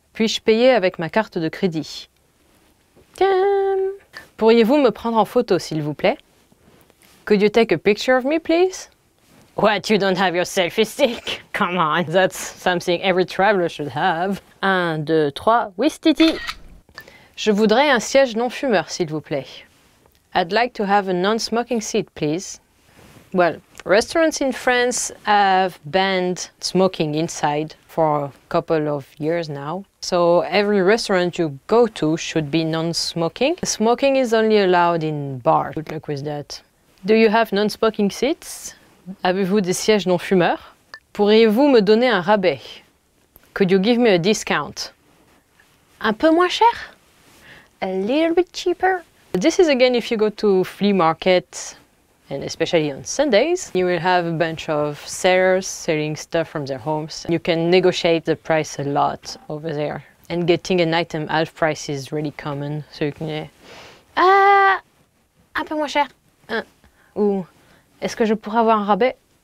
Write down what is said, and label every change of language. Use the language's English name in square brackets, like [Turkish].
[French] Puis-je payer avec ma carte de crédit? Pourriez-vous me prendre en photo, s'il vous plaît? [English] Could you take a picture of me, please? What, you don't have your selfie stick? Come on, that's something every traveler should have. 1, 2, 3, whistiti! [French] Je voudrais un siège non-fumeur, s'il vous plaît. [English] I'd like to have a non-smoking seat, please. Well, restaurants in France have banned smoking inside for a couple of years now. So every restaurant you go to should be non-smoking. Smoking is only allowed in bars. Good luck with that. Do you have non-smoking seats? [French] Avez-vous des sièges non-fumeurs? Pourriez-vous me donner un rabais? [English] Could you give me a discount? [French] Un peu moins cher? [English] A little bit cheaper. This is again if you go to flea market, and especially on Sundays, you will have a bunch of sellers selling stuff from their homes. You can negotiate the price a lot over there. And getting an item half price is really common, so you can, yeah. [French] Un peu moins cher. Ou, est-ce que je pourrais avoir un rabais?